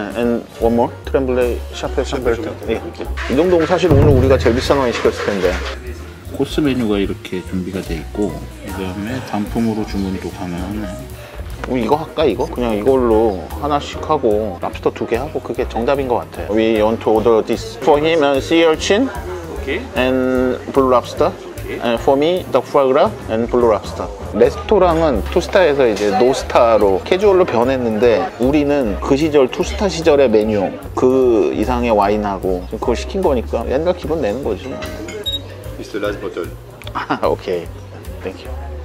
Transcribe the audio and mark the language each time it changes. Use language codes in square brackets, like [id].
[en] 앤 원 모어 [ko] 트렘블레 샤펠 샹베르탱. 예. 이 정도면 사실 오늘 우리가 제일 비싼 와인 시켰을 텐데 코스 메뉴가 이렇게 준비가 돼 있고 그 다음에 단품으로 주문도 가능하네. 이거 할까 이거? 그냥 이걸로 하나씩 하고 랍스터 두 개 하고 그게 정답인 것 같아. [en] We want to order this for him and sea urchin and blue lobster and for me duck foie gras and blue lobster. [ko] 레스토랑은 2스타에서 이제 노스타로 캐주얼로 변했는데 우리는 그 시절 2스타 시절의 메뉴 그 이상의 와인하고 그걸 시킨 거니까 옛날 기분 내는 거지. [en] It's the last bottle. 오케이. Thank you.